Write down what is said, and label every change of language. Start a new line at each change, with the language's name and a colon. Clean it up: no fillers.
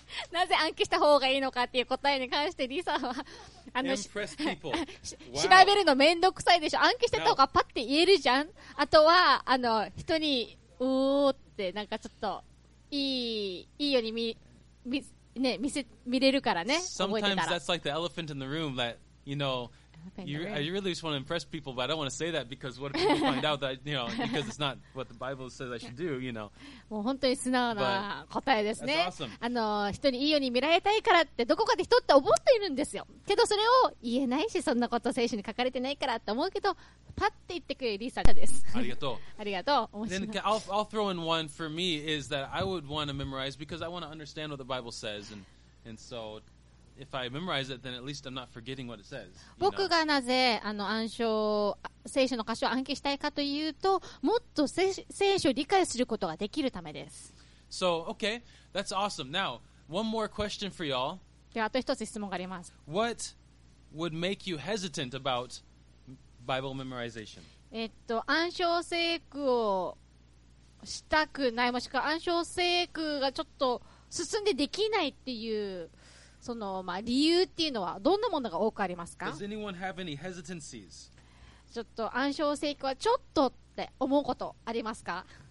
Japanese: なぜ暗記した方がいいのかっていう答えに関してリサは調べるのめんどくさいでしょ、暗記してた方がパッて言えるじゃん、あとは人にうおーってなんかちょっといいように 見れるからね。
English: Sometimes that's like the elephant in the room that you know you really just want to impress people, but I don't want to say that because what if people find out that you know because it's not what the Bible says I should do, you know.
Japanese: もう本当に素直な答えですね。
English: Awesome.
Japanese: 人にいいように見られたいからってどこかで人って思っているんですよ。けどそれを言えないし、そんなこと聖書に書かれてないからって思うけど、パッて言ってくれるリサです。ありがとう。ありがとう。
English: Then I'll throw in one for me is that I would want to memorize because I want to understand what the Bible says and so. If I memorize it, then at least I'm not forgetting what it says.
Japanese: 僕がなぜ暗唱聖書の箇所を暗記したいかというと、もっと聖書を理解することができるためです。
English: So, okay, that's awesome. Now, one more question for y'all.
Japanese: ではあと一つ質問があります。
English: What would make you hesitant about Bible memorization?
Japanese: 暗唱聖句をしたくない、もしくは暗唱聖句がちょっと進んでできないっていう、その、まあ、理由っていうのはどんなものが多くありますか？
English: Does anyone have any hesitancies?
Japanese: ちょっと暗唱聖句はちょっとって思うことありますか？